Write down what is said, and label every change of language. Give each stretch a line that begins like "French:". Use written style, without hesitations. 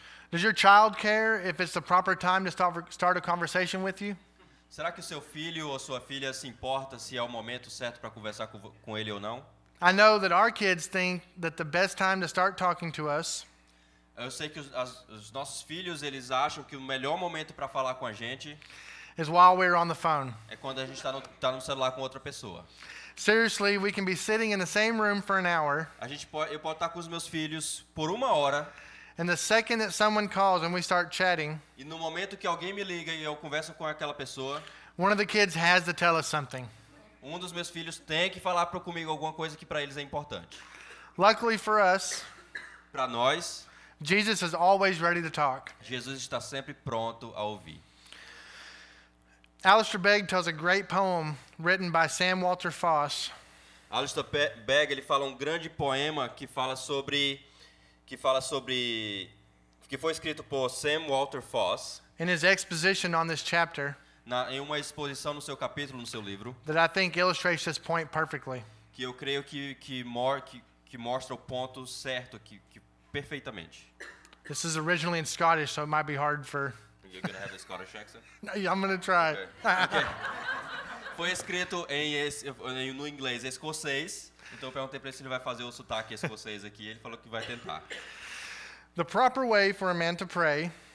English: Does your child care if it's the proper time to start a conversation with you?
Portuguese: Será que o seu filho ou sua filha se importa se é o momento certo para conversar com ele ou não?
English: I know that our kids think that the best time to start talking to us.
Portuguese: Eu sei que os nossos filhos eles acham que o melhor momento para falar com a gente
English: is while we're on the phone.
Portuguese: É quando a gente tá no celular com outra pessoa.
English: Seriously, we can be sitting in the same room for an hour.
Portuguese: A gente pode, eu posso estar com os meus filhos por uma hora.
English: And the second that someone calls and we start chatting.
Portuguese: E no momento que alguém me liga e eu converso com aquela pessoa.
English: One of the kids has to tell us something.
Portuguese: Um dos meus filhos tem que falar para comigo alguma coisa que para eles é importante.
English: Luckily for us,
Portuguese: para nós,
English: Jesus is always ready to talk.
Portuguese: Jesus está sempre pronto a ouvir.
English: Alistair Begg tells a great poem written by Sam Walter Foss.
Portuguese: Alistair Begg ele fala grande poema que fala sobre que foi escrito por Sam Walter Foss.
English: In his exposition on this chapter.
Portuguese: Em uma exposição no seu capítulo, no seu livro.
English: That I think illustrates this point perfectly.
Portuguese: Que eu creio que mostra o ponto certo que perfeitamente.
English: This is originally in Scottish, so it might be hard for. You're going to have a Scottish accent? No, yeah, I'm going to try.
Portuguese: Okay. Foi escrito no inglês escocês. Então eu perguntei para ele se ele vai fazer o sotaque escocês aqui. Ele falou que vai tentar.
English: The proper way for a man to pray.